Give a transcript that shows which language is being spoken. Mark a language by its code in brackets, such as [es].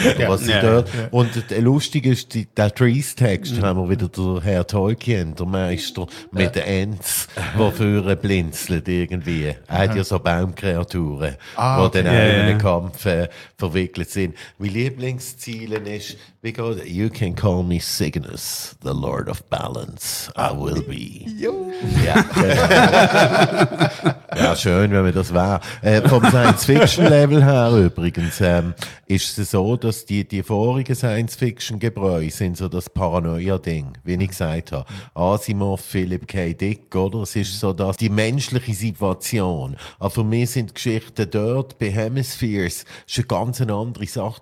[de] Ja, was ich dort, und der lustige ist, der Trees-Text, haben wir wieder der Herr Tolkien, der Meister mit den Ents, der vorne blinzelt irgendwie. Er hat ja so Baumkreaturen, die dann auch in einem Kampf verwickelt sind. Mein Lieblingsziel ist, wie geht es? [en] You can call me Cygnus, the Lord of Balance. I will be. [de] Ja, ja, schön, wenn man das wäre. Vom Science-Fiction-Level her übrigens, ist es so, dass die vorigen Science-Fiction-Gebräu sind so das Paranoia-Ding, wie ich gesagt habe. Asimov, Philip K. Dick, oder? Es ist so, dass die menschliche Situation, aber für mich sind Geschichten dort bei Hemispheres schon ganz eine andere Sache.